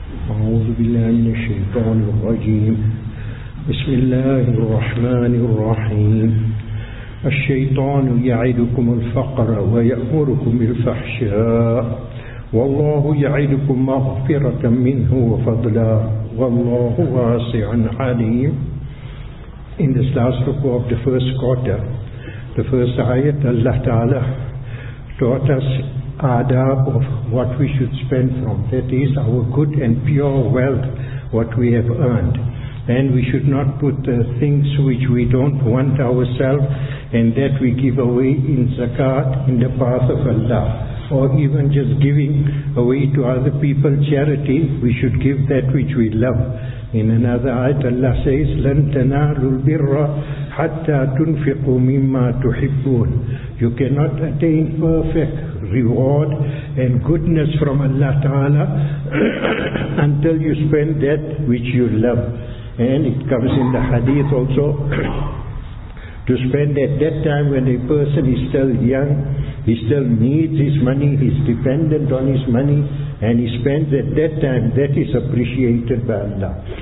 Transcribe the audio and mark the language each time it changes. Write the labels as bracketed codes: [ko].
[ar] أعوذ بالله من الشيطان الرجيم. بسم الله الرحمن الرحيم. الشيطان يعدكم الفقر ويأمركم بالفحشاء والله يعدكم مغفرة منه وفضلا والله واسع عليم. [en] In this last book of the first quarter, the first ayat, Allah Ta'ala taught us adab of what we should spend from, that is our good and pure wealth, what we have earned. And we should not put the things which we don't want ourselves, and that we give away in zakat, in the path of Allah. Or even just giving away to other people, charity, we should give that which we love. In another ayat, Allah says, [ar] لَن تَنَالُوا الْبِرَّ حَتَّى تُنْفِقُوا مِمَّا تُحِبُّونَ. [en] You cannot attain perfect reward and goodness from Allah Ta'ala until you spend that which you love. And it comes in the hadith also, to spend at that time when a person is still young, he still needs his money, he's dependent on his money, and he spends at that time, that is appreciated by Allah.